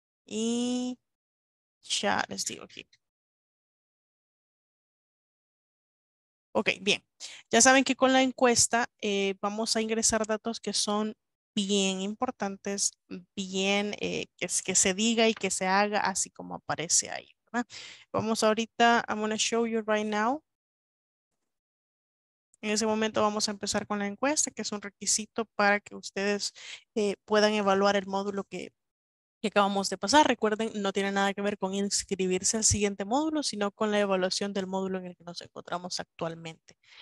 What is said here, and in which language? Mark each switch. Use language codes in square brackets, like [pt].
[es] Y ya les digo aquí. Ok, bien. Ya saben que con la encuesta vamos a ingresar datos que son bien importantes, bien que se diga y que se haga así como aparece ahí, ¿verdad? Vamos ahorita, [en] I'm going to show you right now. [es] En ese momento vamos a empezar con la encuesta, que es un requisito para que ustedes puedan evaluar el módulo que acabamos de pasar. Recuerden, no tiene nada que ver con inscribirse al siguiente módulo, sino con la evaluación del módulo en el que nos encontramos actualmente.